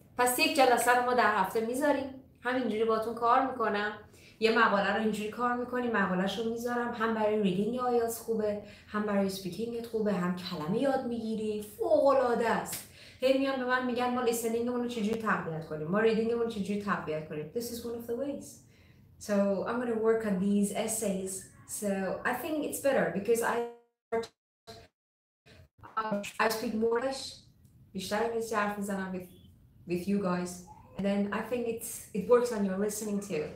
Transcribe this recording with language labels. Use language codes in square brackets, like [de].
[fa] پس یک جلسه رو ما در هفته میذاریم. همینجوری باهاتون کار میکنم. یه مقاله رو اینجوری کار میکنیم. مقاله‌ش رو میذارم. هم برای ریدینگ آیلتس خوبه. هم برای سپیکینگت خوبه. هم کلمه یاد میگیری. فوق‌العاده است. هی میان به من میگن ما لیسنینگمون رو چجوری تقویت کنیم. ما ریدینگمون رو چجوری تقویت کنیم. [en] This is one of the ways. So I'm going to work on these essays. So I think it's better because I speak more. [fa] بیشتر انگلیسی حرف میزنم [en] with you guys. And then I think it works on your listening too.